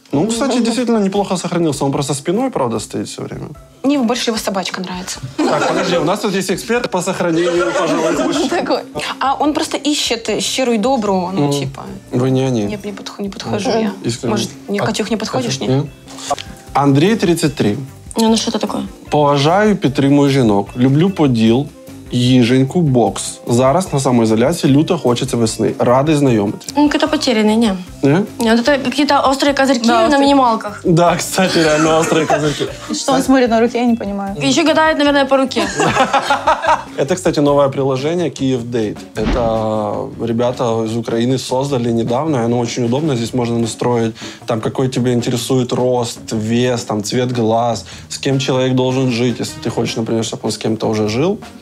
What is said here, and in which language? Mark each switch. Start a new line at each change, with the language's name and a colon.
Russian: Ну, кстати, действительно неплохо сохранился. Он просто спиной, правда, стоит все время. Мне больше его собачка нравится. Так, подожди, у нас тут есть эксперт по сохранению, пожалуй, лучше. А он просто ищет щирую добрую, ну, типа. Вы не они. Нет, не подхожу я. Искренне. Может, мне Катюх не подходишь? Нет. Андрей, 33. Ну, что это такое?
Ukrainian: Поважаю, підтримую жінок. Люблю поділ. Їженьку, бокс. Зараз на самоізоляції люто хочеться весни. Радий знайомитися. Ну, якось потеряний, ні. Ні? Ні, це якісь острі козирки на мінімалках. Так, кстати, реально острі козирки. Що він смотрит на руки, я не розумію. І ще гадає, мабуть, по руці.
Russian: Это, кстати, новое приложение «Киевдейт». Это ребята из Украины создали недавно, и оно очень удобно. Здесь можно настроить, там, какой тебя интересует рост, вес, там, цвет глаз, с кем человек должен жить, если ты хочешь, например, чтобы он с кем-то уже жил.